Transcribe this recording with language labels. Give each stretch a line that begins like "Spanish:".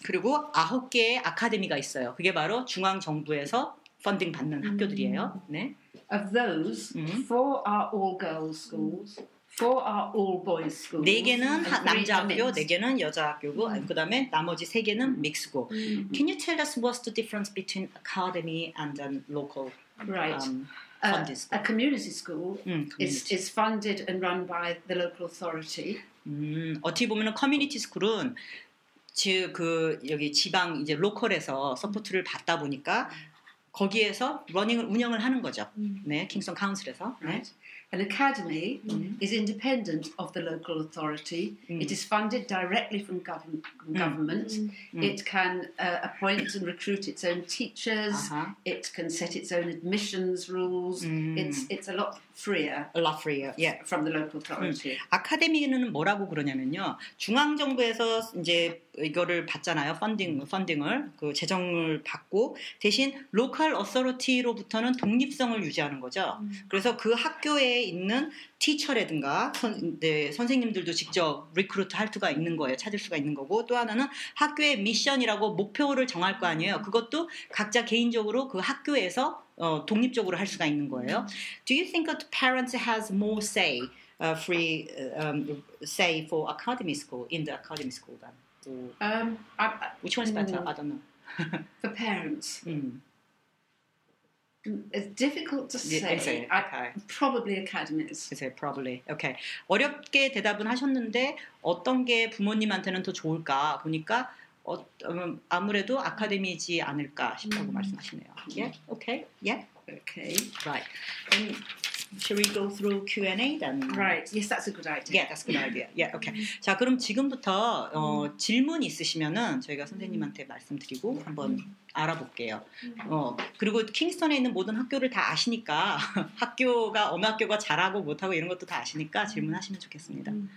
Korean: 그리고 9개의 아카데미가 있어요. 그게 바로 중앙 정부에서 펀딩 받는 학교들이에요. 네.
English: Of those, four are all girls' schools, four are all boys' schools.
Korean: 네 개는 남자 학교, 네 개는 여자 학교고, 그다음에 나머지 세 개는 믹스고.
English: Can you tell us what's the difference between academy and local funded school? A community school is funded and run by the local authority.
Korean: 어떻게 보면은 커뮤니티 스쿨은 즉 그 여기 지방 이제 로컬에서 서포트를 받다 보니까 거기에서 러닝을 운영을 하는 거죠. 네, 킹스턴 카운슬에서.
English: Right. An academy is independent of the local authority. It is funded directly from government. It can appoint and recruit its own teachers. It can set its own admissions rules. It's a lot freer. A lot freer. Yeah. From the local authority.
Korean: 아카데미는 뭐라고 그러냐면요. 중앙 정부에서 이제 이거를 받잖아요. 펀딩을 그 재정을 받고 대신 로컬 어서로티로부터는 독립성을 유지하는 거죠. 그래서 그 학교에 있는 티처라든가 선생님들도 직접 리크루트 할 수가 있는 거예요. 찾을 수가 있는 거고 또 하나는 학교의 미션이라고 목표를 정할 거 아니에요. 그것도 각자 개인적으로 그 학교에서 독립적으로 할 수가 있는 거예요.
English: Do you think that parents has more say say for academy school in the academy school then? Which one is better? I don't know. For parents, it's difficult to say. Is it? Okay. Probably academies. Is it probably? Okay.
Korean: 어렵게 대답은 하셨는데 어떤 게 부모님한테는 더 좋을까 보니까 아무래도 아카데미지 않을까 싶다고 말씀하시네요.
English: Yeah. Okay. Yeah. Okay. Right. And should we go through Q&A then? Right. Yes, that's a good idea. Yeah, that's a good idea. Yeah. Okay.
Korean: 자, 그럼 지금부터 질문 있으시면은 저희가 선생님한테 말씀드리고 한번 알아볼게요. 그리고 킹스턴에 있는 모든 학교를 다 아시니까 학교가 어느 학교가 잘하고 못하고 이런 것도 다 아시니까 질문하시면 좋겠습니다.